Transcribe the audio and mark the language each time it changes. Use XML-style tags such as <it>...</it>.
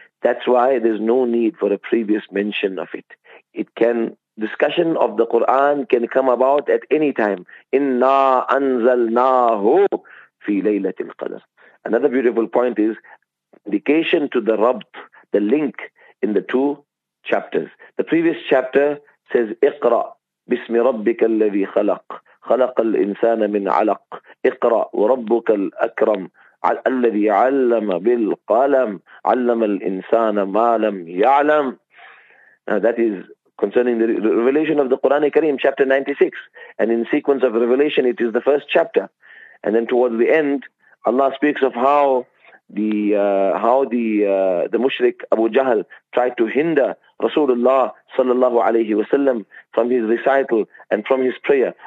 <en>That's why there's no need for a previous mention of it. It can, discussion of the Quran can come about at any time.</en> <ar>Inna anzalnahu fi laylatil qadr.</ar> <en>Another beautiful point is indication to the rabt, the link in the two chapters. The previous chapter says</en> <ar>iqra bismi rabbika alladhi khalaq. خلق الإنسان من علق اقرأ وربك الأكرم الذي علم بالقلم علم الإنسان ما لم يعلم.</ar> <en>Now that is concerning the revelation of the Quran al-Kareem, chapter 96. And in sequence of revelation, it is the first chapter. And then towards the end, Allah speaks of how the mushrik Abu Jahl tried to hinder Rasulullah sallallahu alayhi wa sallam from his recital and from his prayer.</en>